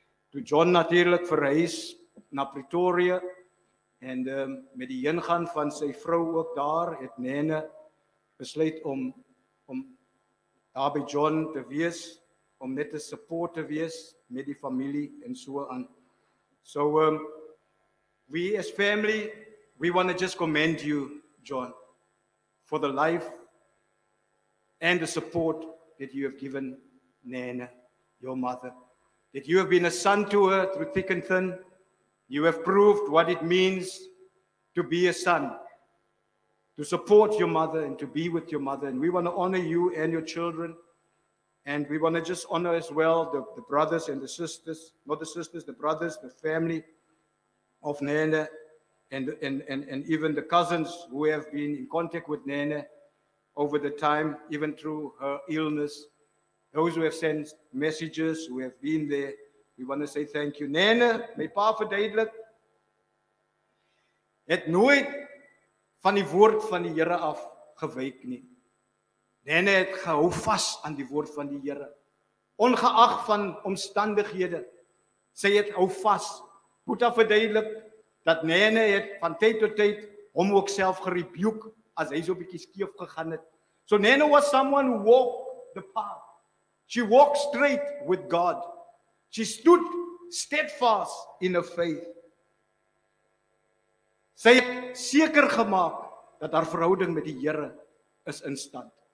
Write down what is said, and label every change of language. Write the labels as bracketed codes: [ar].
[af] Toe John natuurlijk verhuis na Pretoria, en met die ingaan van sy vrou ook daar, het Nene besluit om daar by John te wees, om net te support te wees met die familie en so aan. [en] So, we as family, we want to just commend you, John, for the life and the support that you have given Nene, your mother. That you have been a son to her through thick and thin. You have proved what it means to be a son, to support your mother and to be with your mother. And we want to honor you and your children. And we want to just honor as well the brothers and the sisters, not the sisters, the brothers, the family of Nene. And even the cousins who have been in contact with Nene over the time, even through her illness, those who have sent messages, who have been there, we want to say thank you. [af] Nene, my pa verduidelik, het nooit van die woord van die Here af gewyk nie. Nene het gehou vas aan die woord van die Here, ongeag van omstandighede, sy het hou vas. Boeta verduidelik, dat Nene het van tyd tot tyd hom ook self gerebuke as hy so 'n bietjie skeef gegaan het. [en] So Nene was someone who walked the path. She walked straight with God. She stood steadfast in her faith. [af] Sy het seker gemaak dat haar verhouding met die Here is in stand.